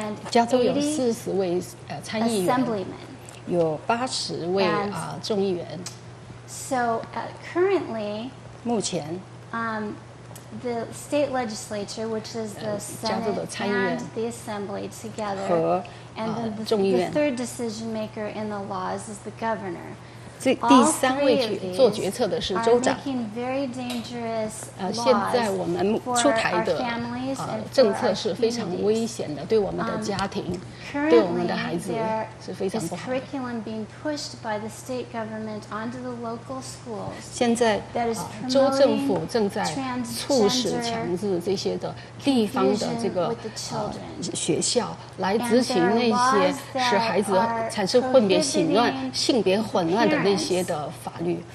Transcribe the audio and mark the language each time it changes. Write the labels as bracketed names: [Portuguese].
[Chinese] 加州有四十位参议员，有八十位众议员。 [English] So currently, [Chinese] 目前 [English] the state legislature, which is the Senate and the Assembly together, [Chinese] 和众议院。 [English] The third decision maker in the laws is the governor. [Chinese] 第三位做决策的是州长。 [English] Are making very dangerous laws. [Chinese] 现在我们出台的。政策是非常危险的，对我们的家庭，对我们的孩子是非常不好的。 [English] Curriculum being pushed by the state government onto the local schools. [Chinese] 现在，州政府正在促使强制这些的地方的这个学校来执行那些使孩子产生混别性乱、性别混乱的那些的法律。